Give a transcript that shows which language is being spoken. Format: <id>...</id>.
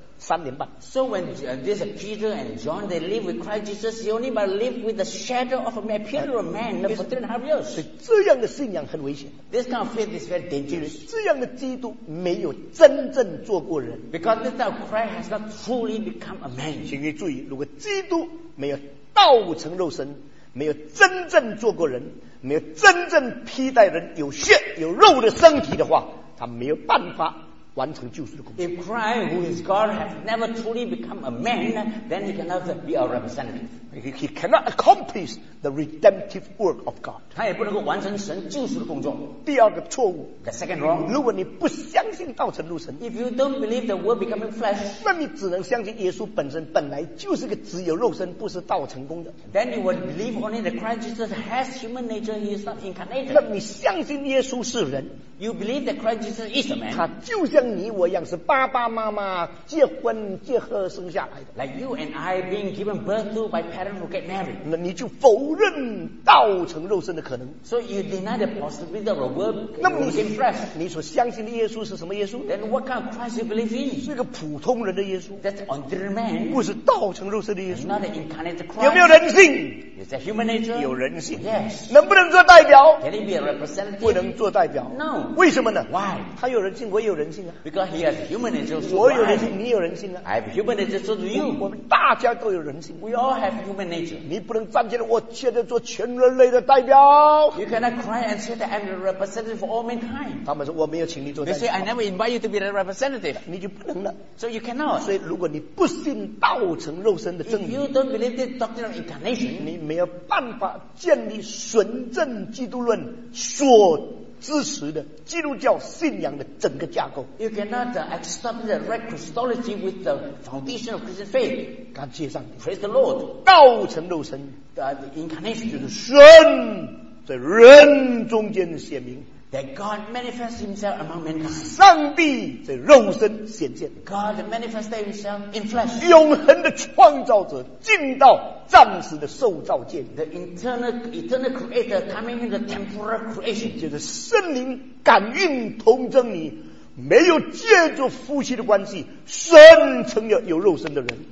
<en>So when this Peter and John they live with Christ Jesus, they only but live with the shadow of a appearance of man for 3.5 years.</en> <zh>所以这样的信仰很危险。</zh> <en>This kind of faith is very dangerous.</en> <zh>这样的基督没有真正做过人。</zh> <en>Because this kind of Christ has not truly become a man.</en> <zh>请你注意，如果基督没有道成肉身，没有真正做过人，没有真正披戴人有血有肉的身体的话，他没有办法。完成救赎的工作。</zh> <en>If Christ, who is God, has never truly become a man, then he cannot be our representative. He cannot accomplish the redemptive work of God.</en> <zh>他也不能够完成神救赎的工作。第二个错误。</zh> <en>The second wrong.</en> <zh>如果你不相信道成肉身。</zh> <en>If you don't believe the Word becoming flesh.</en> <zh>那你只能相信耶稣本身本来就是个只有肉身不是道成功的。</zh> <en>Then you would believe only that Christ Jesus has human nature, he is not incarnated.</en> <zh>那你相信耶稣是人。</zh> <en>You believe that Christ Jesus is a man.</en> <zh>他就像你我一样，是爸爸妈妈结婚结合生下来的。</zh> <en>Like you and I being given birth to by parents who get married.</en> <zh>那你就否认道成肉身的可能。</zh> <en>So you deny the possibility of a word became flesh.</en> <zh>你所相信的耶稣是什么耶稣</zh> <en>？Then what kind of Christ you believe in?</en> <zh>是个普通人的耶稣。</zh> <en>That's ordinary man.</en> <zh>不是道成肉身的耶稣。</zh> <en>Not an incarnate Christ.</en> <zh>有没有人性</zh> <en>？Is that human nature?</en> <zh>有人性。</zh> <en>Yes.</en> <zh>能不能做代表</zh> <en>？Can he be a representative?</en> <zh>不能做代表。</zh> <en>No.</en> <zh>为什么呢</zh> <en>？Why？</en> <zh>他有人性，我也有人性啊。</zh> <en>Because he has human nature.</en> <zh>我有人性，你有人性啊。</zh> <en>I have human nature. So do you.</en> <zh>我们大家都有人性。</zh> <en>We all have human nature.</en> <zh>你不能站起来，我现在做全人类的代表。</zh> <en>You cannot cry and say that I'm the representative for all mankind.</en> <zh>他们说我没有请你做代表。</zh> <en>They say I never invite you to be the representative.</en> <zh>你就不能了。</zh> <en>So you cannot.</en> <zh>所以如果你不信道成肉身的真理</zh> <en>，If you don't believe the doctrine of incarnation，</en> <zh>你没有办法建立纯正基督论所。支持的基督教信仰的整个架构。</zh> <en>You cannot establish the right Christology with the foundation of Christian faith.</en> <zh>感谢上帝。</zh> <en>Praise the Lord.</en> <zh>道成肉身。</zh> <en>The incarnation</en> <zh>就是神在人中间显明。</zh> <en>That God manifests Himself among mankind.</en> <zh>上帝在肉身显现。</zh> <en>God manifested Himself in flesh.</en> <zh>永恒的创造者进到暂时的受造界。</zh> <en>The eternal creator coming into temporal creation.</en> <zh>就是圣灵感应同真理，没有借助夫妻的关系，神成了有肉身的人。</zh>